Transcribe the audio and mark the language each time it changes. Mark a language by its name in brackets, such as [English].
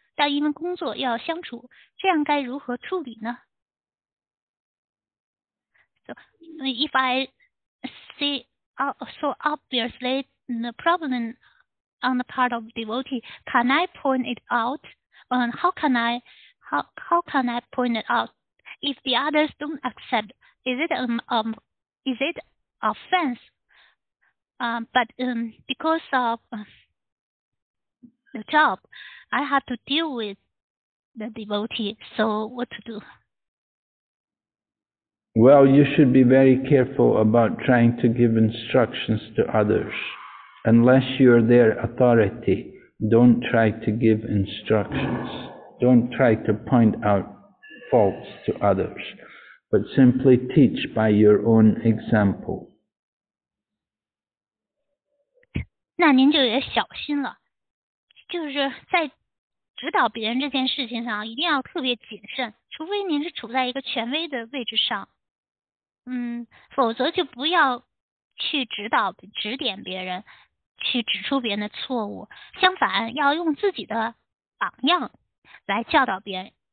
[Chinese] 但因为工作要相处，这样该如何处理呢？ [English] So if I see so obviously the problem on the part of devotee, can I point it out? How can I point it out? If the others don't accept, is it offense? Because of the job. I have to deal with the devotee, so what to do? Well, you should be very careful about trying to give instructions to others, unless you are their authority. Don't try to give instructions. Don't try to point out faults to others, but simply teach by your own example. [Chinese] 那您就也小心了，就是在指导别人这件事情上一定要特别谨慎，除非您是处在一个权威的位置上，嗯，否则就不要去指导指点别人，去指出别人的错误，相反要用自己的榜样来教导别人。